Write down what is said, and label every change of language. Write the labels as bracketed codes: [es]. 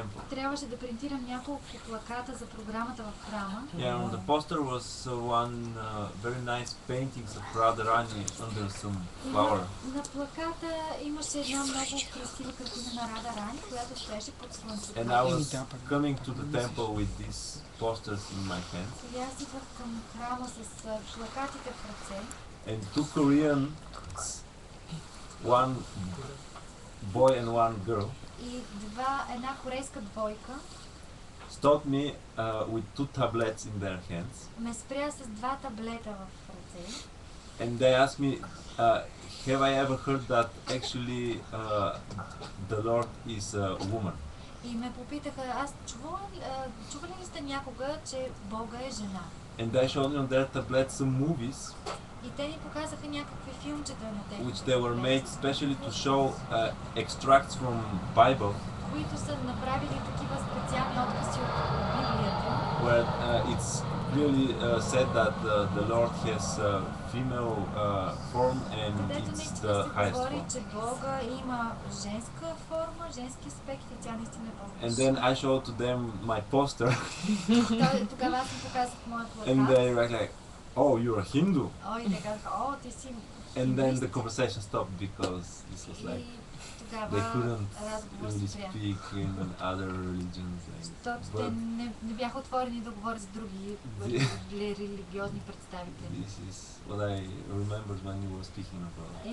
[bg] Трябваше да принтирам няколко плаката за програмата в храма. [en] Yeah, the poster was one very nice painting of Radharani under some flower. [bg] На плаката имаше една много красива картина на Радарани, която стоеше под слънцето. [en] And I was coming to the temple with these posters in my hand. [bg] И аз идвах към храма с плакатите в ръце. [en] And two Koreans, one boy and one girl. [bg] И една корейска двойка. [en] Stop me with two tablets in their hands. [bg] Ме спря с два таблета в ръце. [en] And they asked me, have I ever heard that actually the Lord is a woman? [bg] И ме попитаха, аз чували ли сте някога, че Бога е жена? [en] And they showed me on their tablets some movies. [bg] И те ни показаха някакви филмчета на тези. [en] Which they were made specially to show extracts from Bible. [bg] Които са направили такива специални откъси от Библията. [en] Where it's clearly said that the Lord has a female form and it's the highest form. [bg] Че Бога има женска форма, женски аспект и тя наистина е Бога. [en] And then I showed to them my poster. [bg] Тогава аз им показах моят плакат. [en] And they were like, oh, you're a Hindu. Oh, they got all this. And then the conversation stopped because this was like they couldn't really speak in other religions. [bg] Не бяха отворени да говорят с други религиозни представители. [en] This is what I remembered when you were speaking about.